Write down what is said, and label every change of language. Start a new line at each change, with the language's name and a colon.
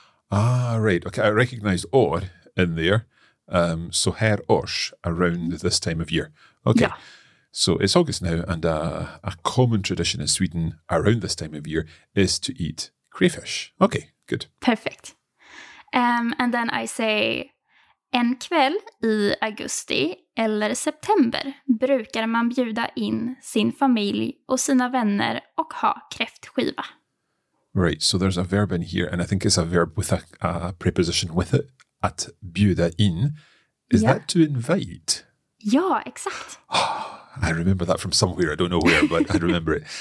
English: Ah, right. Okay, I recognize år in there.
Swedish: Så här års,
English: around this time of year. Okay. Yeah. So it's August now, and a common tradition in Sweden around this time of year is to eat crayfish. Okay, good. Perfect. And then I say,
Swedish: en kväll i augusti eller september brukar man bjuda in sin familj och sina vänner och ha kräftskiva.
English: Right, so there's a verb in here, and I think it's a verb with a preposition with it, att bjuda in. Is that to invite?
Swedish: Ja, exakt.
English: I remember that from somewhere, I don't know where, but I remember it.